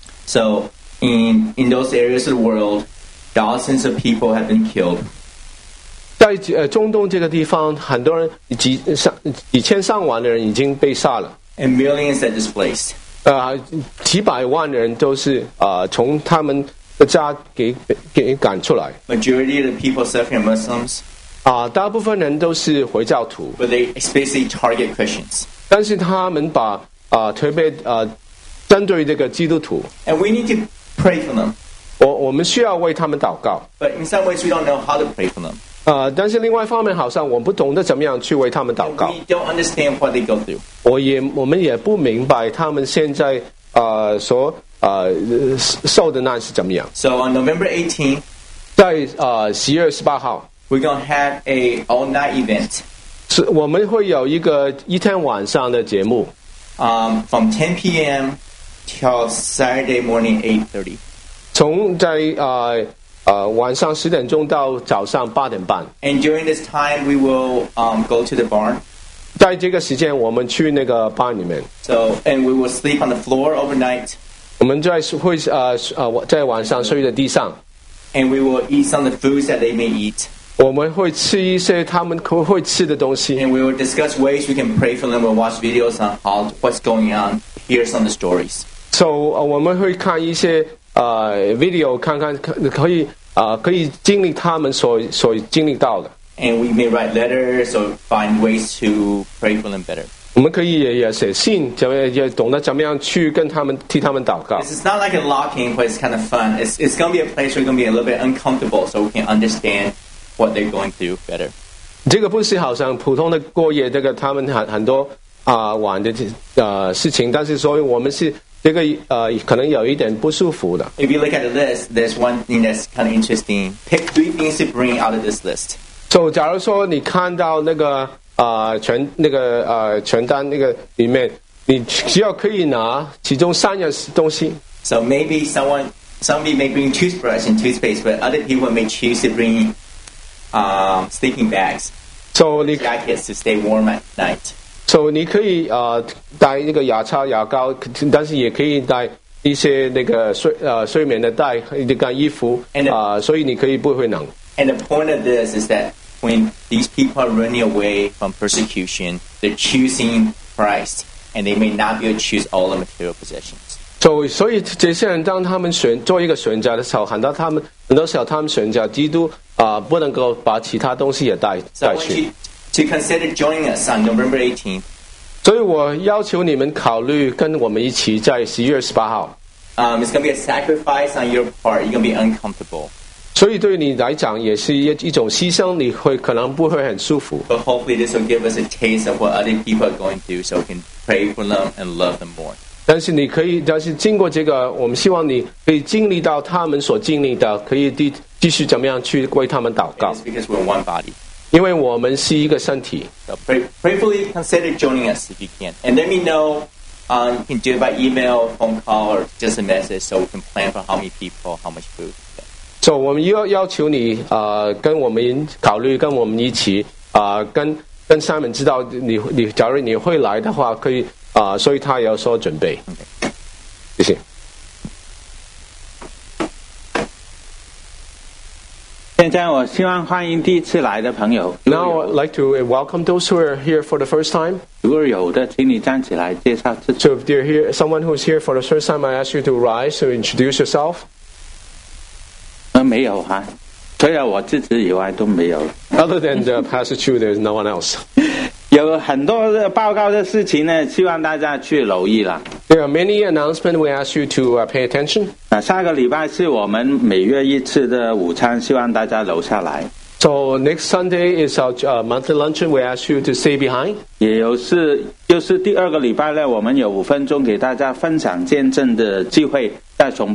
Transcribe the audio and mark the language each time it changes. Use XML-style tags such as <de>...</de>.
<en>So in those areas of the world thousands of people have been killed</en> <zh>在中东这个地方很多人几千上万的人已经被杀了</zh> <en>and millions are displaced</en> <zh>几百万的人都是从他们的家给赶出来</zh> <en>majority of the people suffering are Muslims</en> <zh>大部分人都是回教徒</zh> <en>but they explicitly target Christians</en> <zh>但是他们把特别针对这个基督徒</zh> <en>and we need to pray for them</en> <zh>我们需要为他们祷告</zh> <en>but in some ways we don't know how to pray for them</en> <zh>但是另外一方面好像我不懂得怎么样去为他们祷告</zh> <en>we don't understand what they go through.</en> <zh>我们也不明白他们现在受的难是怎么样</zh> <en>So on November 18th</en> <zh>在10月18号</zh> <en>We're going to have an all night event</en> <zh>我们会有一个一天晚上的节目</zh> <en>From 10 p.m. till Saturday morning 8:30</en> <zh>从在晚上十点钟到早上八点半</zh> <en>And during this time we will go to the barn</en> <zh>在这个时间我们去那个 barn 里面</zh> <en>So and we will sleep on the floor overnight</en> <zh>我们在会在晚上睡在地上</zh> <en>And we will eat some of the foods that they may eat</en> <zh>我们会吃一些他们会吃的东西</zh> <en>And we will discuss ways we can pray for them and watch videos on how what's going on hear some of the stories</en> <zh>So 我们会看一些video 看看可以经历他们所经历到的</zh> <en>and we may write letters or find ways to pray for them better</en> <zh>我我们可以也写信，也懂得怎么样去跟他们替他们祷告。</zh> <en>It's not like a locking, but it's kind of fun. It's going to be a place where it's going to be a little bit uncomfortable, so we can understand what they're going through better.</en> <zh>这个不是好像普通的过夜，这个他们很多玩的事情，但是所以我们是这个可能有一点不舒服的。</zh> <en>If you look at the list, there's one thing that's kind of interesting. Pick three things to bring out of this list.</en> <zh>So, 假如说你看到那个。全单那个里面，你只要可以拿其中三样东西。</zh> <en>So maybe somebody may bring toothbrush and toothpaste, but other people may choose to bring sleeping bags, so jackets to stay warm at night.</en> <zh>So 你可以带那个牙刷、牙膏，但是也可以带一些那个睡眠的袋、一件衣服所以你可以不会冷。</zh> <en>And the point of this is that. When these people are running away from persecution, they're choosing Christ, and they may not be able to choose all the material possessions.</en> <zh>So, 这些人当他们选做一个选择的时候，很多时候他们选择基督不能够把其他东西也带去。</zh> <en>So, I want you to consider joining us on November 18th.</en> <zh>所以我要求你们考虑跟我们一起在11月18号。</zh> <en>It's going to be a sacrifice on your part. You're going to be uncomfortable.</en> <zh>所以对你来讲也是一种牺牲，你会可能不会很舒服。</zh> <en>But hopefully this will give us a taste of what other people are going through, so we can pray for them and love them more.</en> <zh>但是经过这个，我们希望你可以经历到他们所经历的，可以继续怎么样去为他们祷告。</zh> <en>It's because we're one body.</en> <zh>因为我们是一个身体。</zh> <en>So prayfully consider joining us if you can, and let me know. You can do it by email, phone call, or just a message, so we can plan for how many people, how much food.</en> <zh>So, 我们要求你跟我们考虑跟我们一起跟三门知道你假如你会来的话可以所以他也要说准备。</zh> <en>Okay.</en> <zh>谢谢。现在我希望欢迎第一次来的朋友。</zh> <en>Now I'd like to welcome those who are here for the first time.</en> <zh>如果有的请你站起来介绍自己。</zh> <en>So, if you're here, someone who's here for the first time, I ask you to rise to introduce yourself.</en> <zh>没有啊，除了我自己以外都没有。</zh> <en>Other than the Pastor Chu, there's no one else.</en> <zh>有很多的报告的事情呢，希望大家去留意啦。</zh> <en>There are many announcements we ask you to pay attention.</en> <zh>下个礼拜是我们每月一次的午餐，希望大家留下来。</zh> <en>So next Sunday is our monthly luncheon. We ask you to stay behind.</en> <zh>也有是又是第二个礼拜呢，我们有5分钟给大家分享见证的机会，在崇拜。</zh>